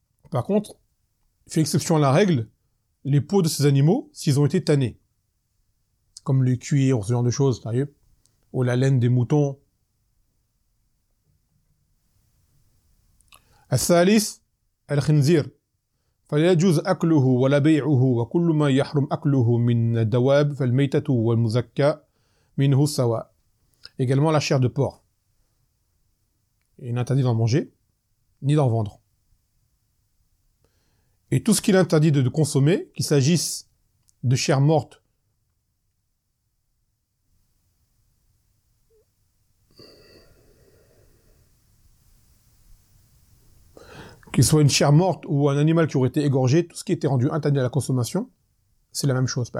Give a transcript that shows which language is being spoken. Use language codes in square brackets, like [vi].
[fr] Par contre, il fait exception à la règle, les peaux de ces animaux, s'ils ont été tannés. comme le cuir, ce genre de choses, sérieux, ou la laine des moutons. [ar] الثالث الخنزير فلا يجوز أكله ولا بيعه وكل ما يحرم أكله من دواب فالميتة والمزكى منه سواء. [fr] Également la chair de porc. Il est interdit d'en manger, ni d'en vendre. Et tout ce qu'il est interdit de consommer, qu'il s'agisse de chair morte, qu'il soit une chair morte ou un animal qui aurait été égorgé, tout ce qui était rendu interdit à la consommation, c'est la même chose.